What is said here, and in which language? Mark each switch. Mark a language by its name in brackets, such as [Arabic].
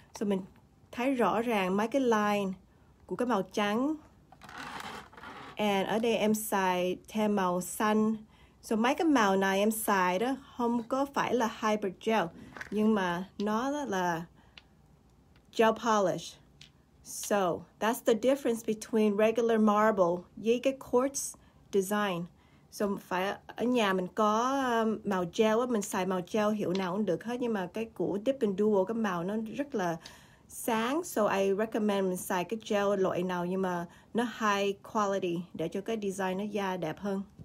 [Vietnamese] So mình thấy rõ ràng mấy cái line của cái màu trắng. And ở đây em xài thêm màu xanh. So mấy cái màu này em xài đó không có phải là hybrid gel, nhưng mà nó là gel polish. [English] So that's the difference between regular marble [Vietnamese] với cái [English] quartz design. [Vietnamese] So phải ở nhà mình có màu gel á, mình xài màu gel hiệu nào cũng được hết. Nhưng mà cái của Dip and Dual cái màu nó rất là sáng, [English] so I recommend [Vietnamese] mình xài cái gel loại nào nhưng mà nó high quality để cho cái design nó da đẹp hơn.